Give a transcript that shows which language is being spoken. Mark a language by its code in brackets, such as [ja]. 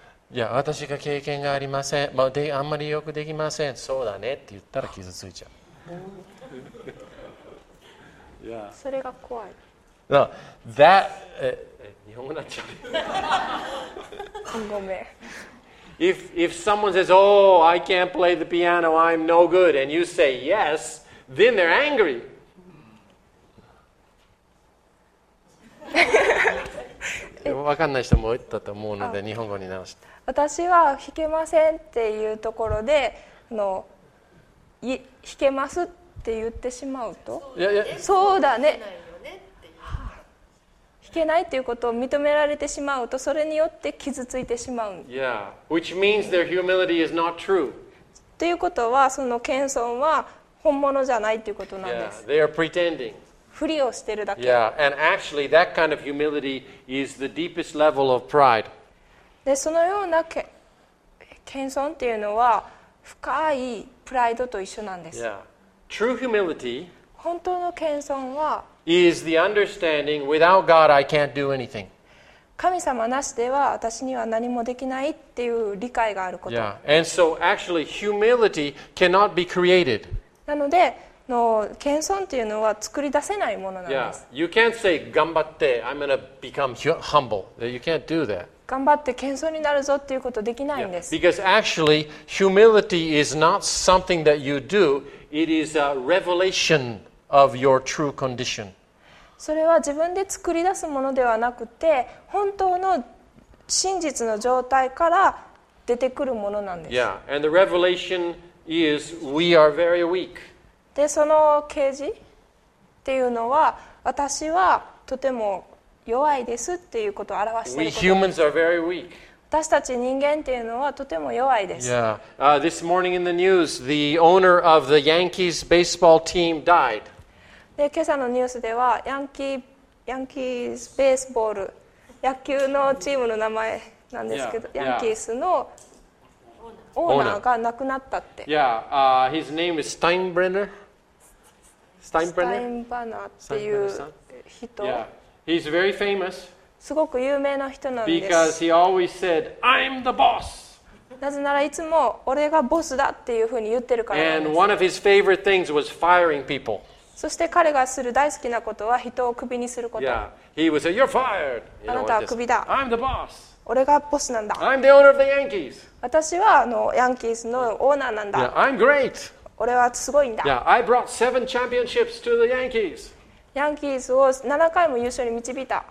[ja] いや私が経験がありません、まあ、であんまりよくできませんそうだねって言ったら傷ついちゃう [en] yeah. [ja] それが怖い [en] no, that, [ja] 日本語になっちゃうごめん [en] if someone says oh I can't play the piano I'm no good and you say yes then they're angry [ja] わかんない人も言ったと思うので日本語に直して私は弾けませんっていうところで弾けますって言ってしまうとそうだね弾けないっていうことを認められてしまうとそれによって傷ついてしまう [en] Yeah, which means their humility is not true. [ja] ということはその謙遜は本物じゃないっていうことなんです [en] Yeah, they are pretending. [ja] ふりをしてるだけ [en] Yeah, and actually that kind of humility is the deepest level of pride. [ja] でそのような謙遜っていうのは深いプライドと一緒なんです。 [en] Yeah. True humility [ja] 本当の謙遜は [en] is the understanding without God I can't do anything. [ja] 神様なしでは私には何もできないっていう理解があること。 [en] Yeah. And so actually humility cannot be created. [ja] なので謙遜っていうのは作り出せないものなんです。 [en] Yeah. You can't say [ja] 頑張って [en] I'm going to become humble. You can't do that. [ja] 頑張って謙遜になるぞっていうことできないんです。 [en] Yeah, because actually, humility is not something that you do. It is a revelation of your true condition. [ja] それは自分で作り出すものではなくて、本当の真実の状態から出てくるものなんです。 [en] Yeah, and the revelation is we are very weak. [ja] で、その啓示っていうのは、私はとても弱いですっていうことを表していること。 [en] We humans are very weak. [ja] 私たち人間っていうのはとても弱いです。 [en] Yeah. This morning in the news, the owner of the Yankees baseball team died. [ja] で、今朝のニュースでは、ヤンキースベースボール、野球のチームの名前なんですけど、 [en] yeah. [ja] ヤンキースのオーナーが亡くなったって。 [en] Yeah. His name is Steinbrenner. [ja] Steinbrenner っていう人。 [en] Yeah. He's very famous. [ja] すごく有名な人なんです。 [en] Because he always said, I'm the boss. [ja] なぜならいつも俺がボスだっていうふうに言ってるからなんです。 [en] And one of his favorite things was firing people. [ja] そして彼がする大好きなことは人をクビにすること。 [en] Yeah. He would say, You're fired. [ja] あなたはクビだ。 [en] I'm the boss. [ja] 俺がボスなんだ。 [en] I'm the owner of the Yankees. [ja] 私はヤンキースのオーナーなんだ。 [en] Yeah. I'm great. [ja] 俺はすごいんだ。 [en] Yeah. I brought 7 championships to the Yankees. [ja] ヤンキースを7回も優勝に導いた。